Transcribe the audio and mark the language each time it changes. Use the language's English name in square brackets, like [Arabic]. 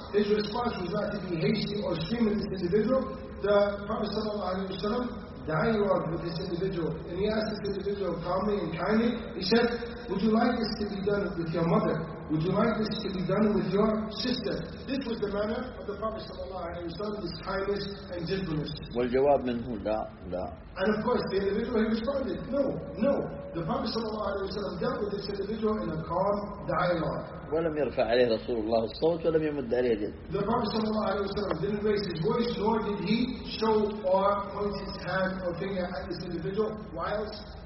[English] His response was not to be hasty or scream at this individual. The Prophet sallallahu alayhi wa sallam dialogued with this individual, and he asked this individual calmly and kindly, he said, "Would you like this to be done with your mother? Would you like this to be done with your sister?" This was the manner of the Prophet sallallahu alayhi wa sallam, his kindness and gentleness. [Arabic] والجواب منه لا لا. [English] And of course the individual, he responded, "No, no." The Prophet sallallahu alayhi wa sallam dealt with this individual in a calm dialogue. [Arabic] ولم يرفع عليه رسول الله الصوت ولم يمد عليه يد. [English] The Prophet sallallahu alayhi wa sallam didn't raise his voice, nor did he show or point his hand or finger at this individual whilst